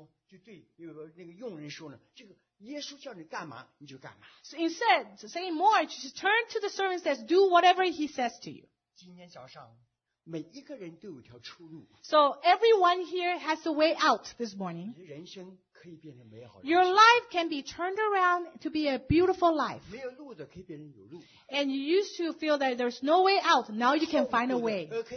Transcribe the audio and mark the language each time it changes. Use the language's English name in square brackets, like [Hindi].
[Chinese] 就对那个佣人说呢，这个耶稣叫你干嘛你就干嘛。 [English] So instead, saying more, just turn to the servant and says, do whatever he says to you. [Chinese] 今天早上每一个人都有条出路。 [English] So everyone here has a way out this morning. [Chinese] 人生可以变成美好人生。 [English] Your life can be turned around to be a beautiful life. [Chinese] 没有路的可以变成有路。 [English] And you used to feel that there's no way out, now you can find a way.